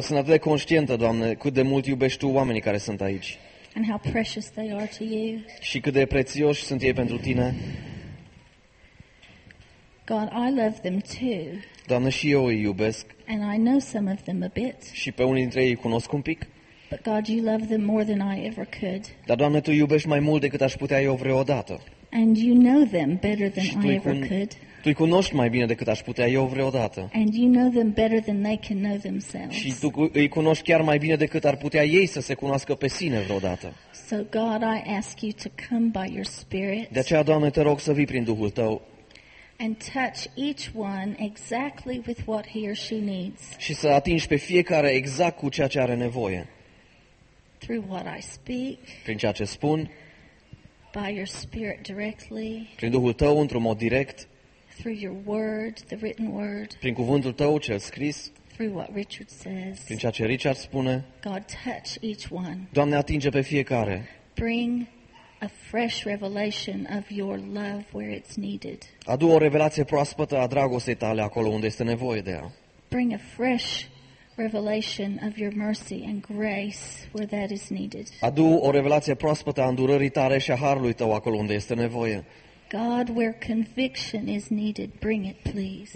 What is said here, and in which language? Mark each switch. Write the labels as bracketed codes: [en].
[ro] Sunt atât de conștientă, Doamne, cât de mult iubești tu oamenii care sunt aici. [en] And how precious they are to you. [ro] Și cât de prețioși sunt ei pentru tine. [en] God, I love them too. [ro] Doamne, și eu îi iubesc. [en] And I know some of them a bit. [ro] Și pe unii dintre ei îi cunosc un pic. [en] But God, you love them more than I ever could. [ro] Dar, Doamne, tu iubești mai mult decât aș putea eu vreodată. [en] And you know them better than I ever could. [ro] Tu îi cunoști mai bine decât aș putea eu vreodată. [en] And you know them better than they can know themselves. [ro] Și tu îi cunoști chiar mai bine decât ar putea ei să se cunoască pe sine vreodată. [en] So God, I ask you to come by your spirit. [ro] De aceea, Doamne, te rog să vii prin Duhul tău. [en] And touch each one exactly with what he or she needs. [ro] Și să atingi pe fiecare exact cu ceea ce are nevoie. [en] Through what I speak. [ro] Prin ceea ce spun. [en] By your spirit directly. [ro] Prin Duhul tău într-un mod direct. [en] Through your word, the written word. [ro] Prin cuvântul tău cel scris. [en] Through what Richard says. [ro] Prin ceea ce Richard spune. [en] God, touch each one. [ro] Doamne, atinge pe fiecare. [en] Bring a fresh revelation of your love where it's needed. [ro] Adu o revelație proaspătă a dragostei tale acolo unde este nevoie de ea. [en] Bring a fresh revelation of your mercy and grace where that is needed. [ro] Adu o revelație proaspătă a îndurării tale și a harului tău acolo unde este nevoie. [en] God, where conviction is needed, bring it, please.